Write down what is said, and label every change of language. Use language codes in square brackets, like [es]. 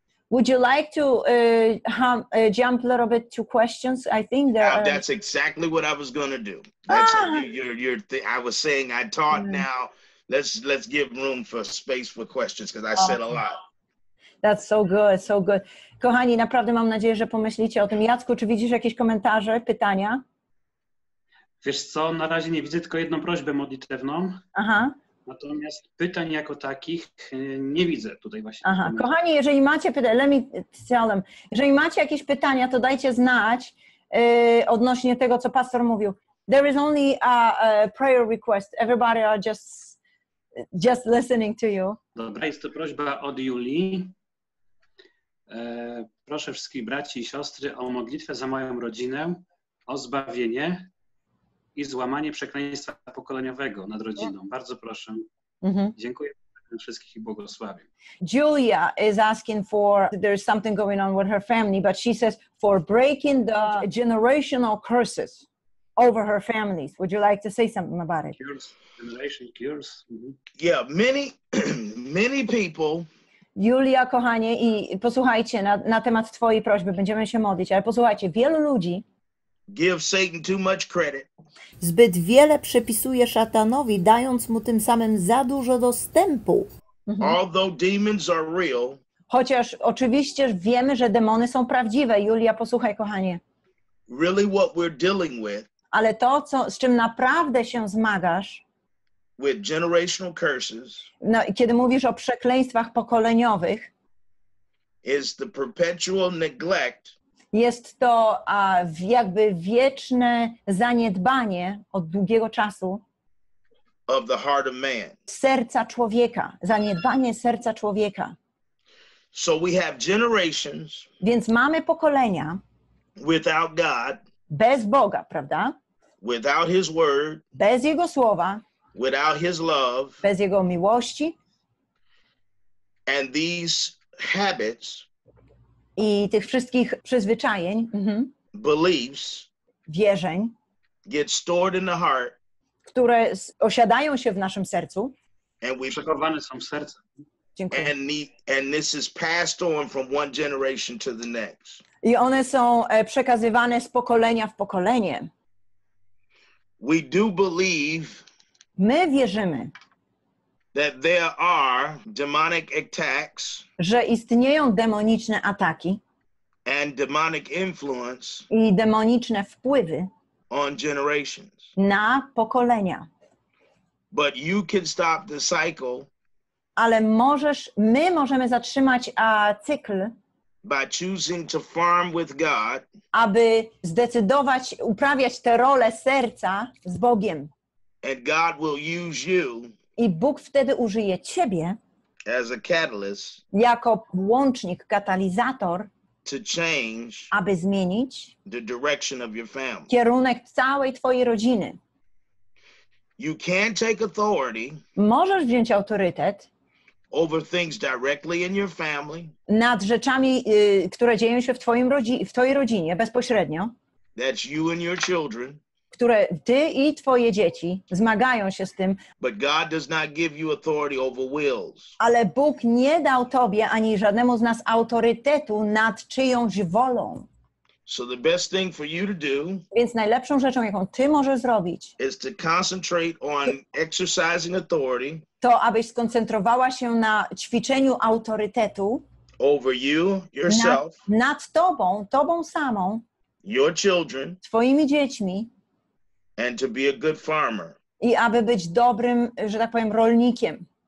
[en] Would you like to jump a little bit to questions? I think there are... That's exactly what I was going to do. That's I was saying I taught now. Let's give room for space for questions because I said a lot. That's so good, so good. [pl] Kochani, naprawdę mam nadzieję, że pomyślicie o tym. Jacku, czy widzisz jakieś komentarze, pytania? Wiesz co, na razie nie widzę, tylko jedną prośbę modlitewną. Aha. Natomiast pytań jako takich nie widzę tutaj właśnie. Aha. Kochani, jeżeli macie pytania, [en] let me tell them. [pl] Jeżeli macie jakieś pytania, to dajcie znać odnośnie tego, co pastor mówił. [en] There is only a prayer request. Everybody are just listening to you. [pl] Dobra, jest to prośba od Julii. Proszę wszystkich braci i siostry o modlitwę za moją rodzinę, o zbawienie i złamanie przekleństwa pokoleniowego nad rodziną. Bardzo proszę. Mm-hmm. Dziękuję wszystkich i błogosławię. [en] Julia is asking for, there's something going on with her family, but she says for breaking the generational curses over her families. Would you like to say something about it? Cures, generation cures. Mm-hmm. Yeah, many people. [pl] Julia, kochanie, i posłuchajcie na temat twojej prośby, będziemy się modlić, ale posłuchajcie, wielu ludzi [en] give Satan too much credit. [pl] Zbyt wiele przypisuje szatanowi, dając mu tym samym za dużo dostępu. Mhm. [en] Although demons are real, [pl] chociaż oczywiście wiemy, że demony są prawdziwe. Julia, posłuchaj, kochanie. [en] Really what we're dealing with, [pl] ale to, co, z czym naprawdę się zmagasz, [en] with generational curses, [pl] no, kiedy mówisz o przekleństwach pokoleniowych, [en] is the perpetual neglect, [pl] jest to jakby wieczne zaniedbanie od długiego czasu [en] of the heart of man. [pl] Serca człowieka, zaniedbanie serca człowieka. [en] So we have generations, [pl] więc mamy pokolenia [en] without God, [pl] bez Boga, prawda? [en] Without His word, [pl] bez Jego słowa, [en] without His love, [pl] bez Jego miłości, [en] and these habits, [pl] i tych wszystkich przyzwyczajeń, [en] beliefs, [pl] wierzeń, [en] get stored in the heart, [pl] które osiadają się w naszym sercu, [en] and we [pl] przechowywane są w sercu. Dziękuję. [en] And this is passed on from one generation to the next. [pl] I one są przekazywane z pokolenia w pokolenie. [en] We do believe, [pl] my wierzymy, [en] that there are demonic attacks, [pl] że istnieją demoniczne ataki [en] and demonic influence, [pl] i demoniczne wpływy [en] on generations, [pl] na pokolenia. [en] But you can stop the cycle, [pl] ale możesz, my możemy zatrzymać cykl, [en] by choosing to farm with God, [pl] aby zdecydować uprawiać tę rolę serca z Bogiem. [en] And God will use you, [pl] i Bóg wtedy użyje ciebie, [en] as a catalyst, [pl] jako łącznik, katalizator, [en] to change, [pl] aby zmienić [en] the direction of your family, [pl] kierunek całej twojej rodziny. [en] You can take authority, [pl] możesz wziąć autorytet [en] over things directly in your family, [pl] nad rzeczami, które dzieją się w twojej rodzinie bezpośrednio. [en] That's you and your children, [pl] które ty i twoje dzieci zmagają się z tym. [en] But God does not give you authority over wills. [pl] Ale Bóg nie dał tobie ani żadnemu z nas autorytetu nad czyjąś wolą. [en] So the best thing for you to do, [pl] więc najlepszą rzeczą, jaką ty możesz zrobić, [en] is to concentrate on exercising authority, [pl] to abyś skoncentrowała się na ćwiczeniu autorytetu [en] over you, yourself, [pl] nad tobą, tobą samą, [en] your children, [pl] twoimi dziećmi, [en] and to be a good farmer. [pl] I aby być dobrym, że tak powiem, rolnikiem.